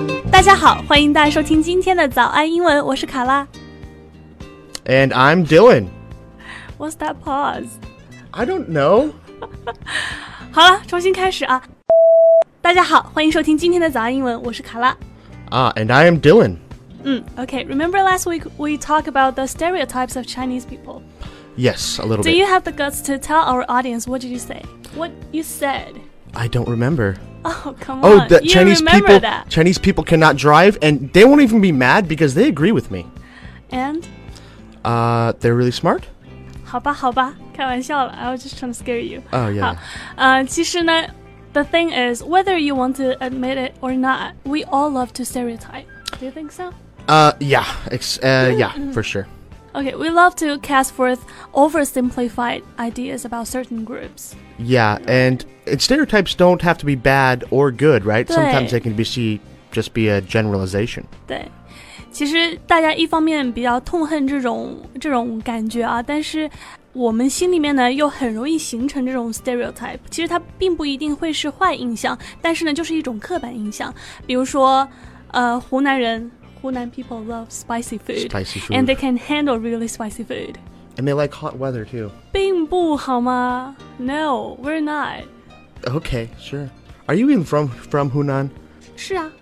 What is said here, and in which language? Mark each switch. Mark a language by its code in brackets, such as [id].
[zh] 大家好，欢迎大家收听今天的早安英文，我是卡拉。 [en] And I'm Dylan. What's that pause? I don't know. [zh] 好了，重新开始啊。大家好，欢迎收听今天的早安英文，我是卡拉。 [en] And I am Dylan. Okay, remember last week we talked about the stereotypes of Chinese people? Yes, a little bit. Do you have the guts to tell our audience what did you say? What you said? I don't remember. Oh, come on. Oh, Chinese people cannot drive, and they won't even be mad because they agree with me. And? They're really smart. [zh] 好吧好吧开玩笑了 [en] I was just trying to scare you. Oh, yeah. [zh] 其实呢 [en] the thing is, whether you want to admit it or not, we all love to stereotype. Do you think so? Yeah, for sure. Okay, we love to cast forth oversimplified ideas about certain groups. Yeah, and stereotypes don't have to be bad or good, right? Sometimes they can just be a generalization. [zh] 对，其实大家一方面比较痛恨这种感觉啊，但是我们心里面呢又很容易形成这种 stereotype。其实它并不一定会是坏印象，但是呢就是一种刻板印象。比如说， [en] 湖南 people love spicy food, and they can handle really spicy food. And they like hot weather, too. [zh] 并不好吗 [en] No, we're not. Okay, sure. Are you even from Hunan? [zh] 是啊。